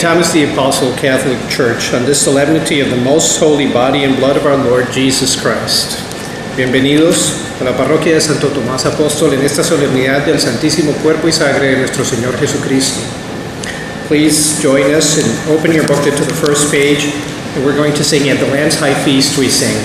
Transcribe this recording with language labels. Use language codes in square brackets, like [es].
[en] Thomas the Apostle Catholic Church on this solemnity of the most holy body and blood of our Lord Jesus Christ. [es] Bienvenidos a la parroquia de Santo Tomás Apóstol en esta solemnidad del Santísimo Cuerpo y Sangre de nuestro Señor Jesucristo. [en] Please join us and open your booklet to the first page, and we're going to sing at the Lamb's High Feast we sing.